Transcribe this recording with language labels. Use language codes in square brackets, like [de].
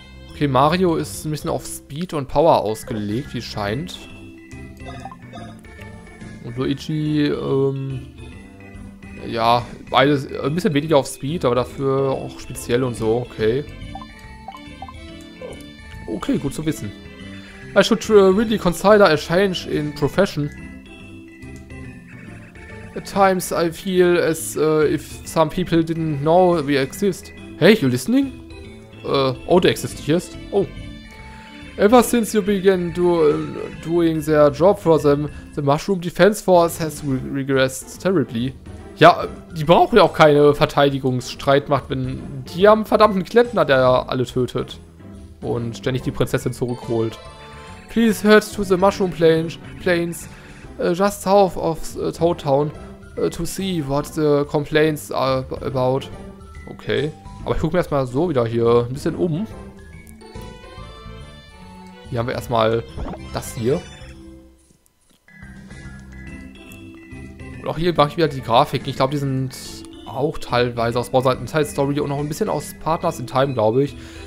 [de] Okay, Mario ist ein bisschen auf Speed und Power ausgelegt, wie scheint. Und Luigi, ja, beides ein bisschen weniger auf Speed, aber dafür auch speziell und so, okay. Okay, gut zu wissen. [en] I should really consider a change in profession. At times I feel as if some people didn't know we exist. Hey, you listening? Oh, they exist, yes. Oh. Ever since you began doing their job for them, the Mushroom Defense Force has regressed terribly. [de] Ja, die brauchen ja auch keine Verteidigungsstreitmacht, wenn die haben einen verdammten Klempner, der alle tötet und ständig die Prinzessin zurückholt. [en] Please head to the Mushroom Plains, just south of Toad Town, to see what the complaints are about. [de] Okay, aber ich guck mir erstmal so wieder hier ein bisschen um. Hier haben wir erstmal das hier. Und auch hier mache ich wieder die Grafiken. Ich glaube, die sind auch teilweise aus Bauseiten, Teil Story und noch ein bisschen aus Partners in Time, glaube ich.